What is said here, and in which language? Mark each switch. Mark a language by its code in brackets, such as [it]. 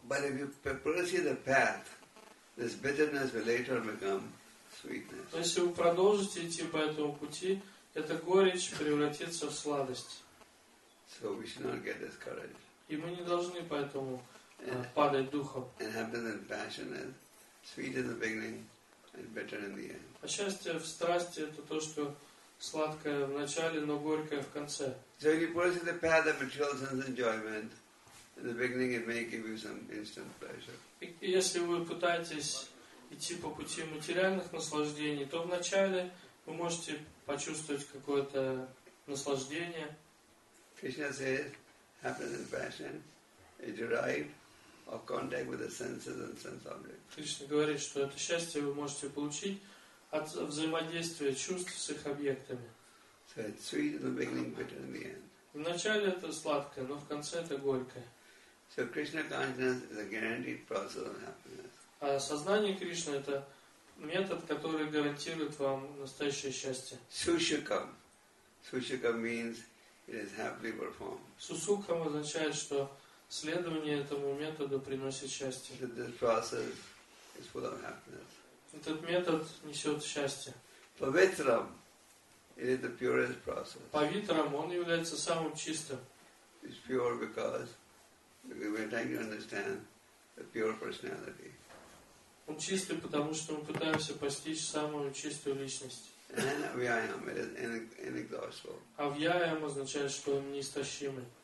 [en] But if you pursue the path, this bitterness will later become. [ru] Но если вы продолжите идти по этому пути, эта горечь превратится в сладость. [en] So we should not get discouraged. [ru] И мы не должны поэтому падать духом. [en] And happiness and passion is sweet in the beginning and bitter in the end. [ru] А счастье в страсти это то, что сладкое в начале, но горькое в конце. [en] So if you pursue the path of material sense enjoyment, in the beginning it may give you some instant pleasure. [ru] И если вы пытаетесь идти по пути материальных наслаждений, то вначале вы можете почувствовать какое-то наслаждение. [en] Krishna says, happiness and passion is derived of contact with the senses and sense objects. [ru] Кришна говорит, что это счастье вы можете получить от взаимодействия чувств с их объектами. [en] So it's sweet in the beginning, bitter in the end. [ru] Вначале это сладкое, но в конце это горькое. [en] So Krishna consciousness is a guaranteed process of happiness. [ru] А сознание Кришны это метод, который гарантирует вам настоящее счастье. [en] Сушукам. Сушукам means it is happily performed. [ru] Сушукам означает, что следование этому методу приносит счастье. [en] So this process is full of happiness. [ru] Этот метод несет счастье. [en] Павитрам. It is the purest process. [ru] Павитрам он является самым чистым. [en] It's pure because we are trying to understand the pure personality. [ru] Он чистый, потому что мы пытаемся постичь самую чистую личность. [en] Авьяям, it is inexhaustible. [ru] Авьяям означает, что он неистощимый.